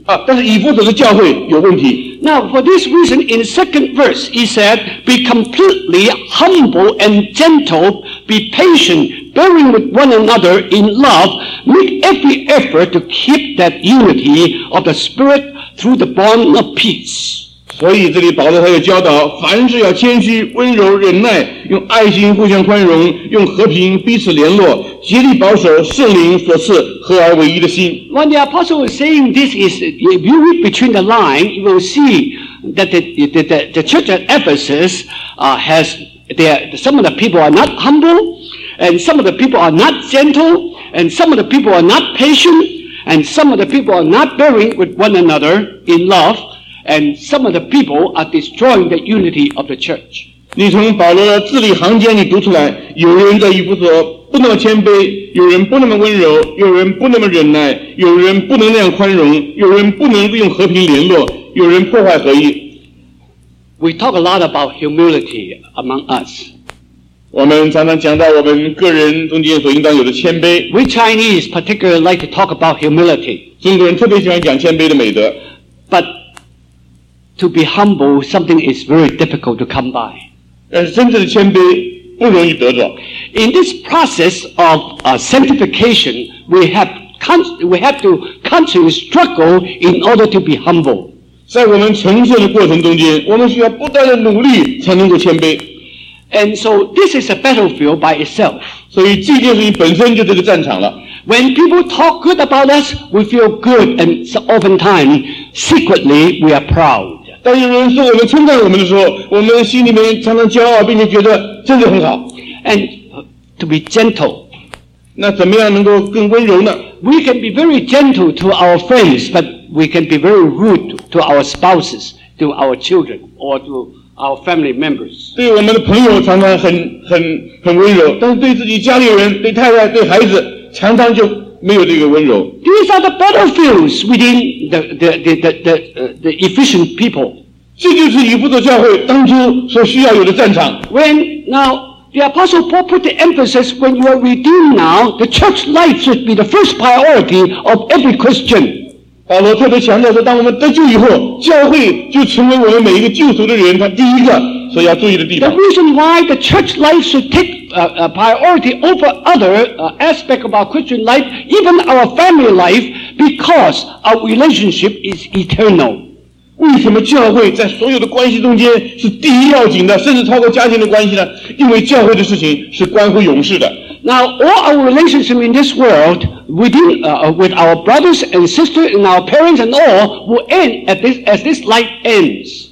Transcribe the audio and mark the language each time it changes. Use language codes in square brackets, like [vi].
[zh] 但是这里讲到一些问题。以弗所的教会有问题。 [en] Now, for this reason, in the second verse, he said, "Be completely humble and gentle, be patient, bearing with one another in love, make every effort to keep that unity of the Spirit through the bond of peace." [zh] 所以这里保罗他就教导，凡事要谦虚、温柔、忍耐，用爱心互相宽容，用和平彼此联络，竭力保守圣灵所赐合而为一的心。 [en] When the apostle was saying this, if you read between the lines, you will see that the church at Ephesus has there some of the people are not humble, and some of the people are not gentle, and some of the people are not patient, and some of the people are not bearing with one another in love, and some of the people are destroying the unity of the church. [zh] 你从保罗的字里行间里读出来，有人在以弗所不那么谦卑，有人不那么温柔，有人不那么忍耐，有人不能那样宽容，有人不能用和平联络，有人破坏合一。 [en] We talk a lot about humility among us. [zh] 我们常常讲到我们个人中间所应当有的谦卑。 [en] We Chinese particularly like to talk about humility. [zh] 中国人特别喜欢讲谦卑的美德。 [en] But to be humble, something is very difficult to come by. [zh] 但是真正的谦卑不容易得着。 [en] In this process of sanctification, we have to constantly struggle in order to be humble. [zh] 在我们成圣的过程中间，我们需要不断的努力才能够谦卑。 [en] And so this is a battlefield by itself. [zh] 所以这件事情本身就是个战场了。 [en] When people talk good about us, we feel good, and so oftentimes secretly we are proud. [zh] 但有人说我们称赞我们的时候，我们心里面常常骄傲，并且觉得真的很好。 [en] And to be gentle, [zh] 那怎么样能够更温柔呢 [en] ？We can be very gentle to our friends, but we can be very rude to our spouses, to our children, or to our family members. [zh] 对我们的朋友常常很温柔，但是对自己家里人、对太太、对孩子，常常就。没有这个温柔。 [en] These are the battlefields within the efficient people. [zh] 这就是以弗所教会当初所需要有的战场。 [en] When now the Apostle Paul put the emphasis, when you are redeemed now, the church life should be the first priority of every Christian. [zh] 保罗特别强调说，当我们得救以后，教会就成为我们每一个救赎的人他第一个所要注意的地方。 [en] The reason why the church life should take a priority over other aspect of our Christian life, even our family life, because our relationship is eternal. [zh] 为什么教会在所有的关系中间是第一要紧的，甚至超过家庭的关系呢？因为教会的事情是关乎永世的。 [en] Now, all our relationship in this world, with our brothers and sisters and our parents and all, will end at this, as this life ends.